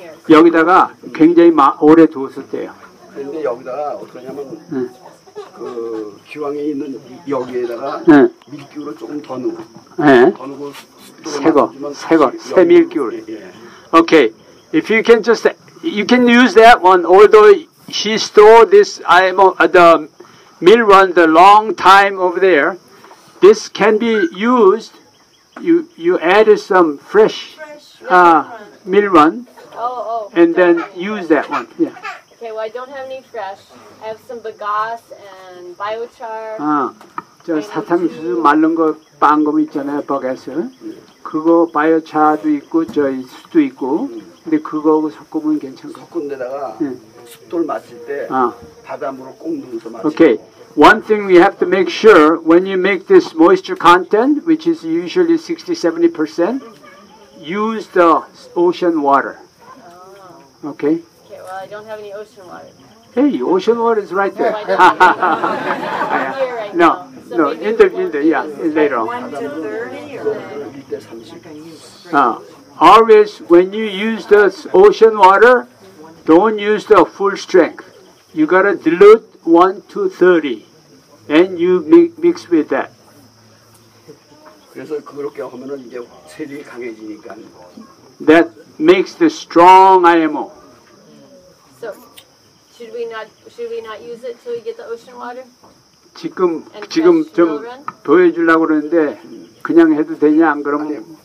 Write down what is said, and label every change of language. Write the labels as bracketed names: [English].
[Korean] 여기다가 굉장히 오래 두었었대요. 근데 여기다가 어떠냐면 그 기왕에 있는 여기에다가 밀기울을 조금 더 넣어. 예. 더 넣고 새거 새 밀기울. 예. [English] Okay. If you can just, you can use that one, although she stored this, the mill run the long time over there. This can be used, you added some fresh mill run. Oh, then use that one, yeah. Okay, well I don't have any fresh. I have some bagasse and biochar. [Korean] 저 사탕수수 말른 거, 빻은 거 있잖아요, 버게스. 그거 바이오차도 있고 저희 숯도 있고 근데 그거하고 섞으면 괜찮고 섞은 데다가 숯돌 마실 때 바닷물을 꼭 넣어서 마시고 [English] Okay, one thing we have to make sure when you make this moisture content which is usually 60-70% use the ocean water. Okay? Okay, well I don't have any ocean water. Hey, ocean water is right there. No, I don't have any water. Right now. No, later on. 1-30 or? Always when you use the ocean water, don't use the full strength. You gotta dilute 1-30, and you mix with that. [Korean] 그래서 그렇게 하면은 이제 체질이 강해지니까. [English] That makes the strong IMO. So should we not use it till we get the ocean water? [Korean] 지금 좀 보여주려고 그러는데 그냥 해도 되냐 안 그러면